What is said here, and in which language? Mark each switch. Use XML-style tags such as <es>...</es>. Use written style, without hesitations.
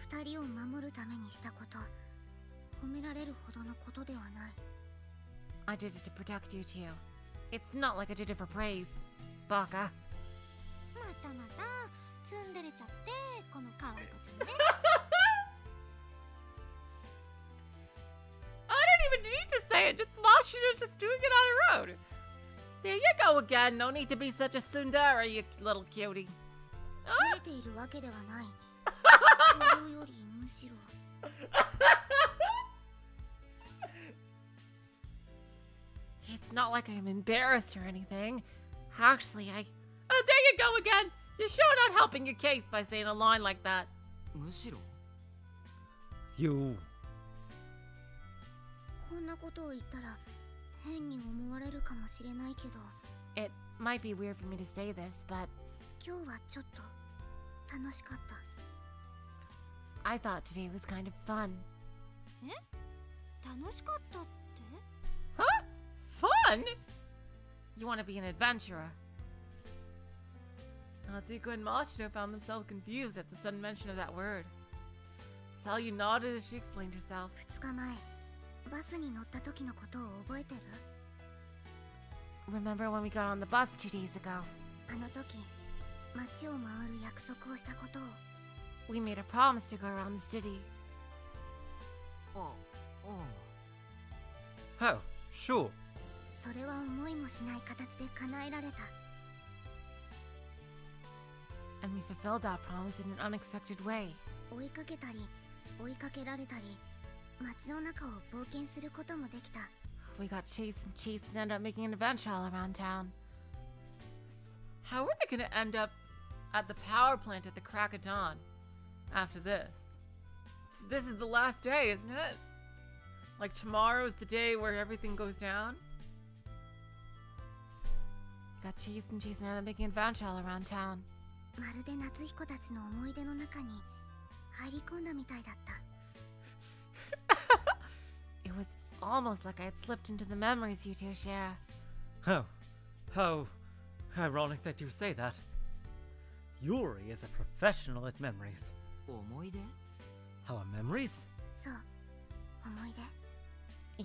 <ja>二人を守るためにしたこと、褒められるほどのことではない。</ja> <en>I did it to protect you two. It's not like I did it for praise, baka.</en> <ja>またまた。ツンデレちゃって、このカワイコちゃんね。</ja> <en>I don't even need to say it, just Mashido just doing it on her own. There you go again, no need to be such a tsundere, you little cutie.</en> <ja>見えているわけではない。それよりむしろ。</ja> <en>It's not like I'm embarrassed or anything. Actually, I... Oh, there you go again! You're sure not helping your case by saying a line like that.</en> <ja>むしろ。</ja> <en>You.</en> <ja>こんなことを言ったら変に思われるかもしれないけど。</ja> <en>It might be weird for me to say this, but...</en> <ja>今日はちょっと楽しかった。</ja> <en>I thought today was kind of fun.</en> <ja>え?楽しかったって?</ja> <en>Huh? Fun? You want to be an adventurer? Natsuhiko and Mashido found themselves confused at the sudden mention of that word. Salyu nodded as she explained herself.</en> <ja>2日前、バスに乗った時のことを覚えてる?</ja> <en>Remember when we got on the bus 2 days ago?</en> <ja>あの時、街を回る約束をしたことを。</ja> <en>We made a promise to go around the city. Oh, oh. Oh, sure.</en> <ja>それは思いもしない形で叶えられた。</ja> <en>And we fulfilled our promise in an unexpected way.</en> <ja>追いかけたり、追いかけられたり、街の中を冒険することもできた。</ja> <en>We got chased and chased and ended up making an adventure all around town. How were they gonna end up at the power plant at the crack of dawn after this? This is the last day, isn't it? Like tomorrow is the day where everything goes down? We got chased and chased and ended up making an adventure all around town.</en> <ja>まるで夏彦たちの思い出の中に入り込んだみたいだった。</ja> <en>It was almost like I had slipped into the memories you two share. Oh, how ironic that you say that. Yuri is a professional at memories.</en> <ja>思い出?</ja> <en>How are memories?</en> <ja>そう、思い出。</ja>